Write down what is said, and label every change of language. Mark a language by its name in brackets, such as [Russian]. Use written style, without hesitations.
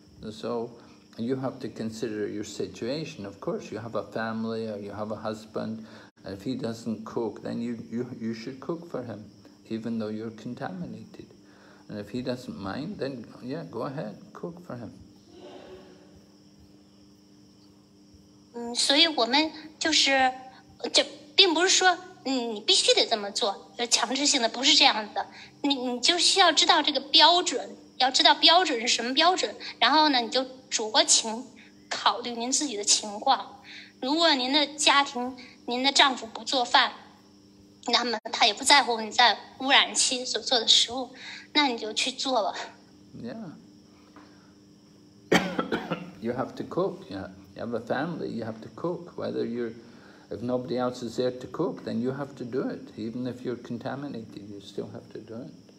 [English] So you have to consider your situation. Of course, you have a family or you have a husband, and if he doesn't cook, then you should cook for him, even though you're contaminated. And if he doesn't mind, then yeah, go ahead, cook for him. Mm. [Chinese] 所以我们就是，这并不是说，你必须得这么做，强制性的不是这样的。你就需要知道这个标准，要知道标准是什么标准，然后呢，你就酌情考虑您自己的情况。如果您的家庭，您的丈夫不做饭，那么他也不在乎你在污染期所做的食物，那你就去做了。 [English] Yeah. You have to cook, yeah. You have a family, you have to cook. Whether you're, if nobody else is there to cook, then you have to do it. Even if you're contaminated, you still have to do it.